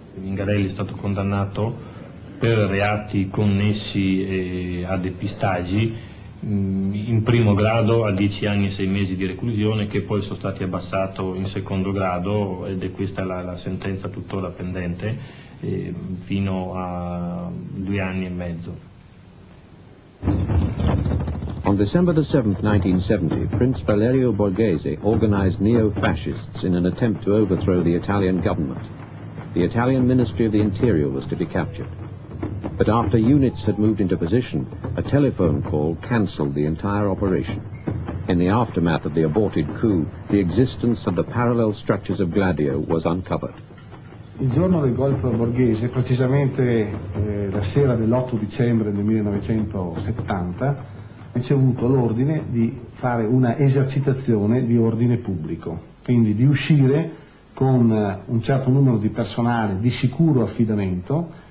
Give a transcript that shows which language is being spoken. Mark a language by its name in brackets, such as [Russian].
[Italian] Mingarelli è stato condannato per reati connessi a depistaggi, in primo grado a 10 anni e 6 mesi di reclusione, che poi sono stati abbassato in secondo grado, ed è questa la sentenza tuttora pendente, fino a 2 anni e mezzo. [English] On December the 7th, 1970, Prince Valerio Borghese organized neo-fascists in an attempt to overthrow the Italian government. The Italian Ministry of the Interior was to be captured. But after units had moved into position, a telephone call cancelled the entire operation. In the aftermath of the aborted coup, the existence of the parallel structures of Gladio was uncovered. [Italian] Il giorno del golpe Borghese, precisamente la sera dell'8 dicembre del 1970, ho ricevuto l'ordine di fare una esercitazione di ordine pubblico, quindi di uscire con un certo numero di personale di sicuro affidamento.